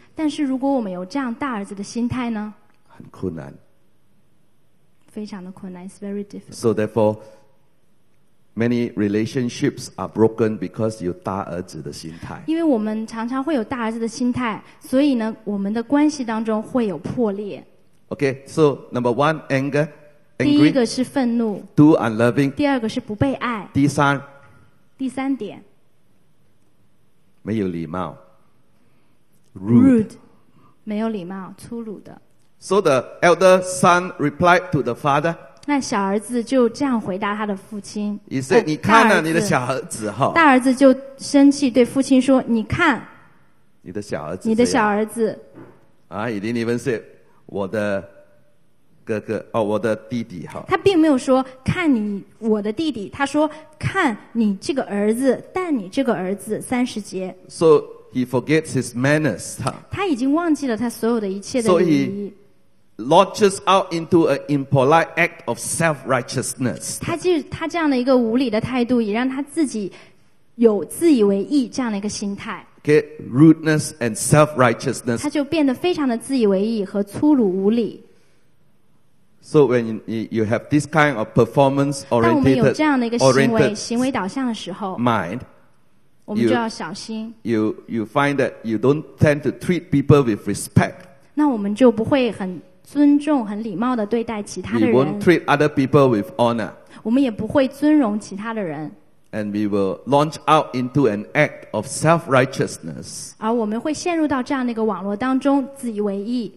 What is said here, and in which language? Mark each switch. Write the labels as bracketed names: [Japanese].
[Chinese] 但是如果我们有这样大儿子的心态呢？很困难，非常的困难。 [English] It's very difficult. So therefore, many relationships are broken because you [Chinese] 大儿子的心态。因为我们常常会有大儿子的心态，所以呢，我们的关系当中会有破裂。 [English] Okay, so number one, anger. [Chinese] 第一个是愤怒。 [English] Two, unloving. [Chinese] 第二个是不被爱。第三点。没有礼貌。 [English] Rude. [Chinese] 没有礼貌，粗鲁的。 [English] So the elder son replied to the father. [Chinese] 那小儿子就这样回答他的父亲。 [English] He said, [Chinese] 你看啊，你的小儿子哈。大儿子就生气对父亲说，你看。你的小儿子。 [English] He didn't even say, [Chinese] 我的哥哥哦，我的弟弟哈。他并没有说看你我的弟弟，他说看你这个儿子，但你这个儿子三十节。 [English] So he forgets his manners. [Chinese] 他已经忘记了他所有的一切的礼仪。 [English] So he launches out into an impolite act of self-righteousness. [Chinese] 他这样的一个无礼的态度，也让他自己有自以为意这样的一个心态。 [English] Get rudeness and self-righteousness. [Chinese] 他就变得非常的自以为意和粗鲁无礼。 [English] So when you have this kind of performance-oriented, [Chinese] 当我们有这样的一个行为导向的时候 [English] ，mind， [Chinese] 我们就要小心。 [English] You find that you don't tend to treat people with respect. [Chinese] 那我们就不会很尊重、很礼貌的对待其他的人。 [English] We won't treat other people with honor. [Chinese] 我们也不会尊荣其他的人。 [English] And we will launch out into an act of self-righteousness. [Chinese] 而我们会陷入到这样的一个网络当中，自以为意。